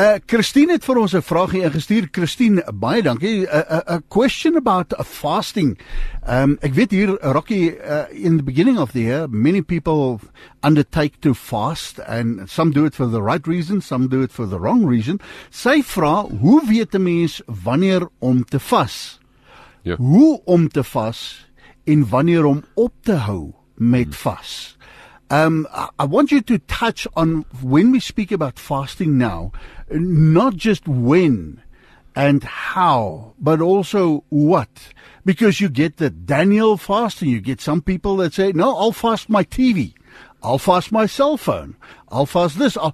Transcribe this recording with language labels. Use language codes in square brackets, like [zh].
[af] Christine het vir ons 'n vraagie ingestuur. [en] Christine, [af] baie dankie. [en] A question about a fasting. [af] Ek weet hier, [en] Rocky, in the beginning of the year, many people undertake to fast, and some do it for the right reason, some do it for the wrong reason. [af] Sy vra, hoe weet 'n mens wanneer om te vas? Ja. Hoe om te vas en wanneer om op te hou met vas? [en] I want you to touch on when we speak about fasting now, not just when and how, but also what. Because you get the Daniel fast, and you get some people that say, no, I'll fast my TV, I'll fast my cell phone, I'll fast this.